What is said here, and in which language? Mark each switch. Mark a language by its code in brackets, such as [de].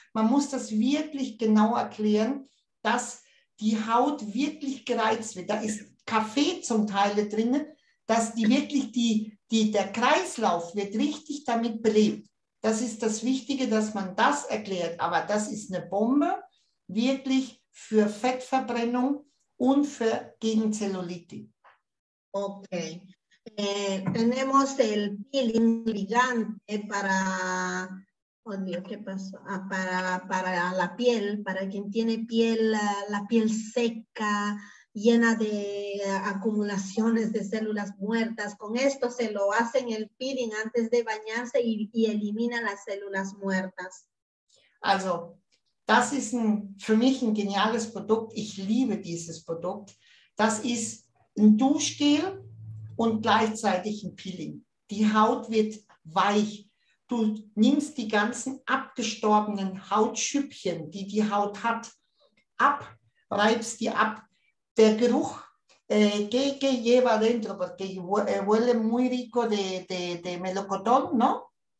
[de] Man muss das wirklich genau erklären, dass die Haut wirklich gereizt wird. Da ist Kaffee zum Teil drin, dass die wirklich der Kreislauf wird richtig damit belebt. Das ist das Wichtige, dass man das erklärt. Aber das ist eine Bombe, wirklich für Fettverbrennung und für gegen Zellulitis. Okay. [es] Tenemos el peeling ligante para, oh Dios, ¿qué pasó? Para la piel, para quien tiene piel, la piel seca, llena de acumulaciones de células muertas. Con esto se lo hacen el peeling antes de bañarse y elimina las células muertas. [de] Also, das ist für mich ein geniales Produkt. Ich liebe dieses Produkt. Das ist ein Duschgel und gleichzeitig ein Peeling. Die Haut wird weich. Du nimmst die ganzen abgestorbenen Hautschüppchen, die die Haut hat, ab, reibst die ab. Der Geruch, [es] que lleva dentro, porque huele muy rico de melocotón, ¿no?